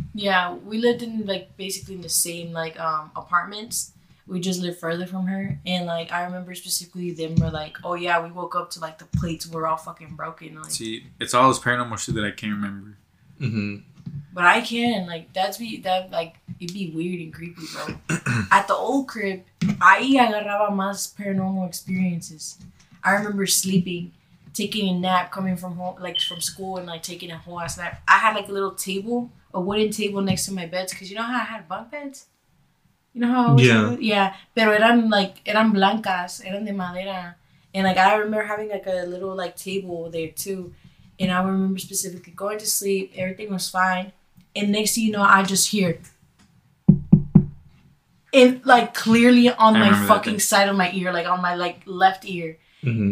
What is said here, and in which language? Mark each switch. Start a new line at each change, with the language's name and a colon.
English: Yeah, we lived in like basically in the same like apartments. We just lived further from her. And like I remember specifically them were like, oh yeah, we woke up to like the plates were all fucking broken. Like, see, it's all this paranormal shit that I can't remember. Mm-hmm. But I can, like, it'd be weird and creepy, bro. At the old crib,
Spanish: ahí agarraba más
English: paranormal experiences. I remember sleeping, taking a nap, coming from home, like, from school, and, like, taking a whole ass nap. I had, like, a little table, a wooden table next to my beds, because you know how I had bunk beds? You know how I was? Yeah.
Spanish: Yeah, pero eran blancas, eran de madera.
English: And, like, I remember having, like, a little, like, table there, too. And I remember specifically going to sleep. Everything was fine. And next thing you know, I just hear. And like clearly on my fucking side of my ear, like on my like left ear. Mm-hmm.